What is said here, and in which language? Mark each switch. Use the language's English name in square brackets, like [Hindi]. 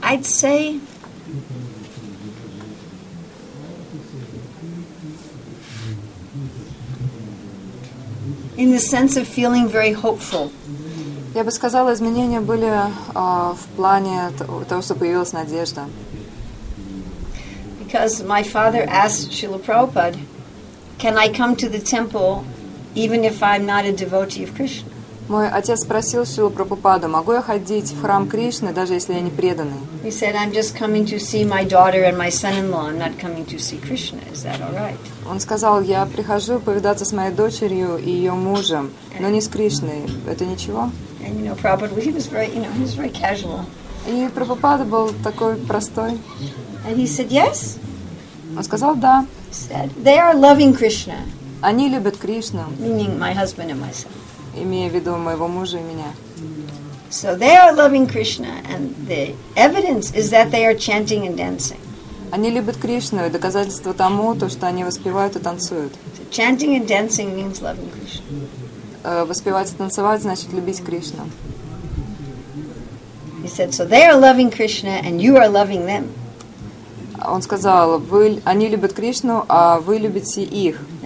[English] I'd say in the sense of feeling very hopeful. [Russian] Я бы сказала, изменения были в плане того, что появилась надежда. [English] Because my father asked Srila Prabhupada, "Can I come to the temple?" Even if I'm not a devotee of Krishna. [Russian] Мой отец спросил Шрилу Прабхупаду, могу я ходить в храм Кришны, даже если я не преданный? [English] He said, I'm just coming to see my daughter and my son-in-law. I'm not coming to see Krishna. Is that all right? [Russian] Он сказал, я прихожу повидаться с моей дочерью и ее мужем, но не с Кришной. Это ничего? [English] And you know, Prabhupada, well, he was very casual. [Russian] И Прабхупада был такой простой. [English] And he said, yes. [Russian] Он сказал, да. [English] He said, they are loving Krishna. [Russian] Они любят Кришну. [English] Meaning my husband and myself. [Russian] Имея в виду моего мужа и меня. [English] So they are loving Krishna, and the evidence is that they are chanting and dancing. [Russian] Они любят Кришну, и доказательство тому то, что они воспевают и танцуют. [English] So chanting and dancing means loving Krishna. [Russian] Воспевать и танцевать значит любить Кришну. [English] He said, so they are loving Krishna, and you are loving them. [Russian] Он сказал, они любят Кришну, а вы любите их.